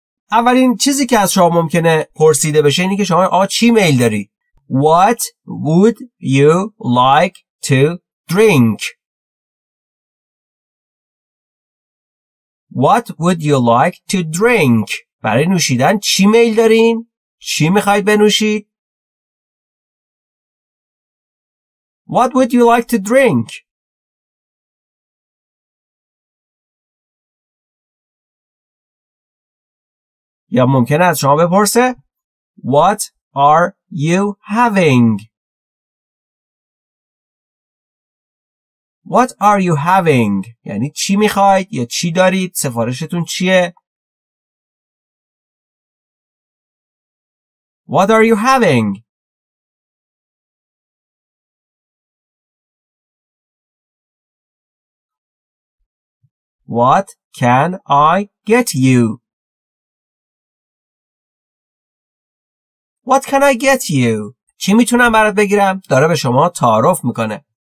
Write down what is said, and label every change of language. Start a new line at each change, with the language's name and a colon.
Persian: اولین چیزی که از شما ممکنه پرسیده بشه اینی که شما چی میل داری؟
English: What would you like to drink? What would you like to drink?
Persian: برای نوشیدن چی میل دارین؟ چی میخواید بنوشید؟
English: What would you like to drink?
Persian: یا ممکنه از شما بپرسه
English: What are you having? What are you having؟
Persian: یعنی چی میخواید یا چی دارید؟ سفارشتون چیه؟
English: What are you having؟ What can I get you؟
Persian: What can I get you؟ چی میتونم برات بگیرم؟ داره به شما تعارف میکنه.